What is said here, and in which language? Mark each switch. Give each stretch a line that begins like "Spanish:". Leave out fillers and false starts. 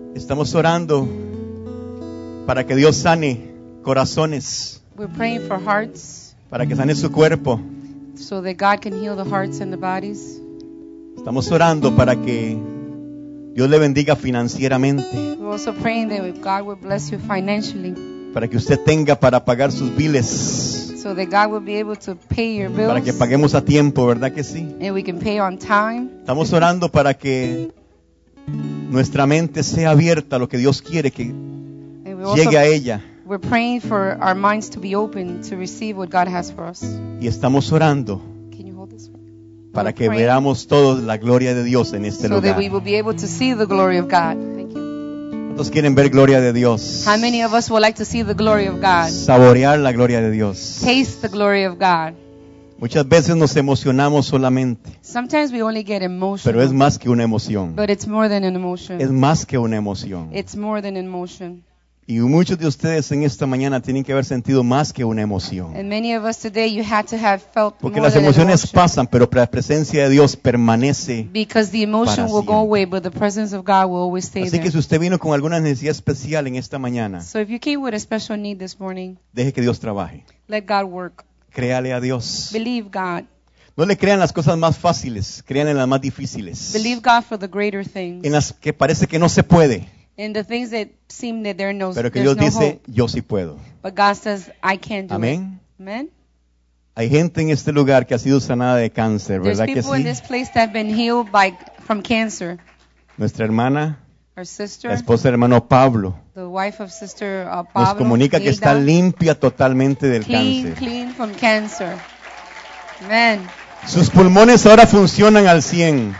Spanish: Estamos orando para que Dios sane corazones.
English: We're praying for hearts.
Spanish: Para que sane su cuerpo.
English: So that God can heal the hearts and the bodies.
Spanish: Estamos orando para que Dios le bendiga financieramente.
English: We're also praying that God will bless you financially.
Spanish: Para que usted tenga para pagar sus biles.
English: So that God will be able to pay your bills.
Spanish: Para que paguemos a tiempo, ¿verdad que sí?
English: And we can pay on time.
Spanish: Estamos orando para que nuestra mente sea abierta a lo que Dios quiere que llegue a ella.
English: We're praying for our minds to be open to receive what God has for us.
Spanish: Y estamos orando para que veamos todos la gloria de Dios en este lugar.
English: So that we will be able to see the glory of God.
Spanish: ¿Cuántos quieren ver gloria de Dios?
English: How many of us would like to see the glory of God?
Spanish: Saborear la gloria de Dios.
English: Taste the glory of God.
Spanish: Muchas veces nos emocionamos solamente.
English: Sometimes we only get emotional.
Spanish: Pero es más que una emoción.
English: But it's more than an emotion.
Spanish: Es más que una emoción.
English: It's more than an emotion.
Spanish: Y muchos de ustedes en esta mañana tienen que haber sentido más que una emoción.
English: And many of us today you had to have felt
Spanish: porque las emociones pasan, pero la presencia de Dios permanece.
English: Because the emotion will go away, but the presence of God will always stay there.
Spanish: Así que si usted vino con alguna necesidad especial en esta mañana,
English: so if you came with a special need this morning,
Spanish: deje que Dios trabaje.
English: Let God work.
Spanish: Créale a Dios.
English: Believe God.
Spanish: No le crean las cosas más fáciles, crean en las más difíciles.
English: Believe God for the greater things.
Spanish: En las que parece que no se puede.
English: And the things that seem that there are no,
Spanish: pero que Dios no dice,
English: hope.
Spanish: Yo sí puedo.
English: But God says, I can do
Spanish: amén.
English: It. Amen.
Spanish: Hay gente en este lugar que ha sido sanada de cáncer,
English: there's
Spanish: ¿verdad que sí?
English: There's people in this place that have been healed from cancer.
Spanish: Nuestra hermana,
English: our sister,
Spanish: la esposa del hermano Pablo,
English: the wife of sister, Pablo,
Spanish: nos comunica Hilda, que está limpia totalmente del
English: clean,
Spanish: cáncer.
English: Clean from cancer. Amen.
Spanish: Sus pulmones ahora funcionan al 100.